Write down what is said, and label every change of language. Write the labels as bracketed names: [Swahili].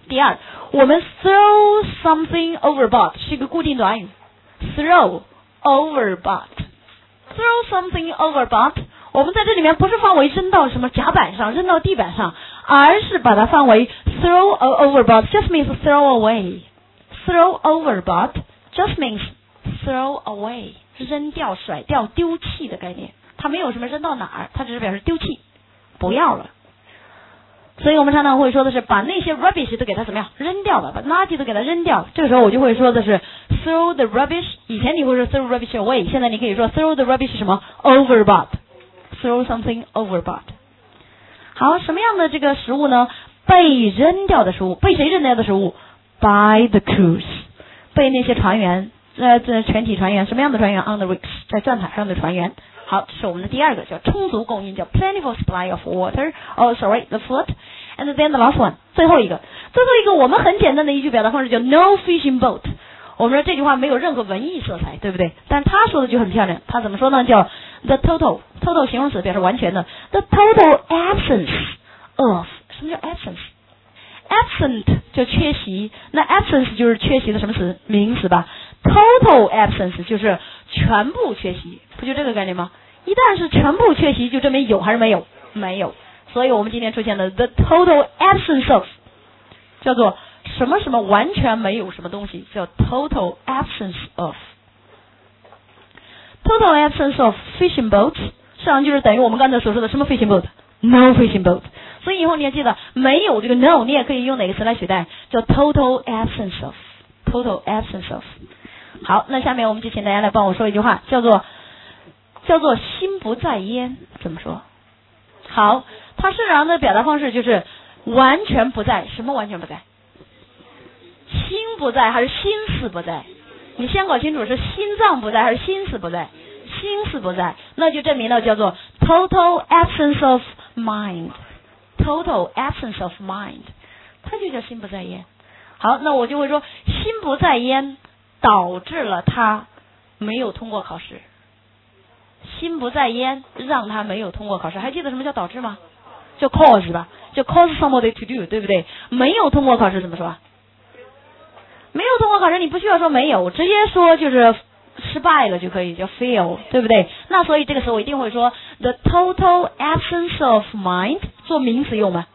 [Chinese] 第二，我们 [English] throw something overboard [Chinese] 是一个固定短语， [English] throw overboard, throw something overboard, [Chinese] 我们在这里面不是范围扔到什么甲板上，扔到地板上，而是把它范围 [English] throw overboard just means throw awaythrow overboard just means throw away, [Chinese] 扔掉、甩掉、丢弃的概念，它没有什么扔到哪儿，它只是表示丢弃，不要了。所以我们常常会说的是把那些 rubbish 都给它怎么样扔掉吧，把垃圾都给它扔掉。这个时候我就会说的是 [English] throw the rubbish, [Chinese] 以前你会说 [English] throw rubbish away, [Chinese] 现在你可以说 throw the rubbish 什么 overboard, [English] throw something overboard。 [Chinese] 好，什么样的这个食物呢？被扔掉的食物。被谁扔掉的食物？ [English] By the crews, [Chinese] 被那些船员，全体船员，什么样的船员？ [English] On the rigs, [Chinese] 在转台上的船员。好，这是我们的第二个，叫充足供应，叫 [English] plentiful supply of water, oh sorry, the food. And then the last one, [Chinese] 最后一个我们很简单的一句表达方式，叫 [English] no fishing boat。 [Chinese] 我们说这句话没有任何文艺色彩，对不对？但他说的就很漂亮，他怎么说呢？叫 the total 形容词，表示完全的。 [English] the total absence of, [Chinese] 什么叫 absenceAbsent 就缺席，那 absence 就是缺席的什么词？名词吧。 [English] Total absence [Chinese] 就是全部缺席，不就这个概念吗？一旦是全部缺席，就证明有还是没有？没有。所以我们今天出现的 [English] The total absence of, [Chinese] 叫做什么什么完全没有什么东西，叫 [English] total absence of。 total absence of fishing boat [Chinese] 实际上就是等于我们刚才所说的什么 fishing boat， [English] no fishing boat。 [Chinese] 所以以后你要记得没有这个 no 你也可以用哪个词来取代，叫 [English] total absence of， total absence of。 [Chinese] 好，那下面我们就请大家来帮我说一句话，叫做心不在焉，怎么说？好，它实际上的表达方式就是完全不在，什么完全不在？心不在还是心思不在？你先搞清楚是心脏不在还是心思不在？心思不在，那就证明了叫做 [English] total absence of mind， [Chinese] total absence of mind， 它就叫心不在焉。好，那我就会说心不在焉导致了他没有通过考试。心不在焉让他没有通过考试，还记得什么叫导致吗？叫 cause 吧，叫 [English] cause somebody to do， [Chinese] 对不对？没有通过考试怎么说？没有通过考试你不需要说没有，直接说就是失败了就可以，叫 fail， 对不对？那所以这个时候我一定会说 [English] the total absence of mind， [Chinese] 做名词用吗？